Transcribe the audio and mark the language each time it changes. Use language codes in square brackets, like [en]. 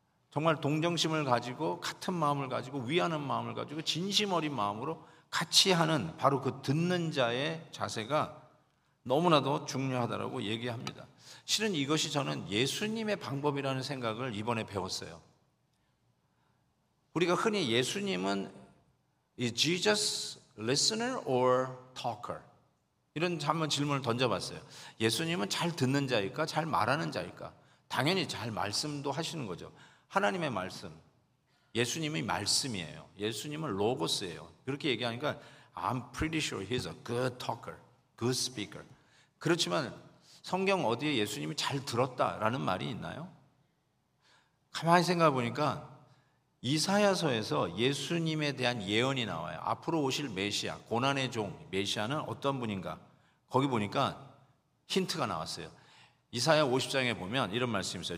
[ko] 정말 동정심을 가지고 같은 마음을 가지고 위하는 마음을 가지고 진심 어린 마음으로 같이 하는 바로 그 듣는 자의 자세가 너무나도 중요하다고 얘기합니다. 실은 이것이 저는 예수님의 방법이라는 생각을 이번에 배웠어요. 우리가 흔히 예수님은 [en] Is Jesus listener or talker? [ko] 이런 한번 질문을 던져봤어요. 예수님은 잘 듣는 자일까? 잘 말하는 자일까? 당연히 잘 말씀도 하시는 거죠. 하나님의 말씀, 예수님이 말씀이에요. 예수님은 로고스예요. 그렇게 얘기하니까 [en] I'm pretty sure he's a good talker, good speaker. [ko] 그렇지만 성경 어디에 예수님이 잘 들었다라는 말이 있나요? 가만히 생각해 보니까 이사야서에서 예수님에 대한 예언이 나와요. 앞으로 오실 메시아, 고난의 종, 메시아는 어떤 분인가? 거기 보니까 힌트가 나왔어요. 이사야 50장에 보면 이런 말씀이 있어요.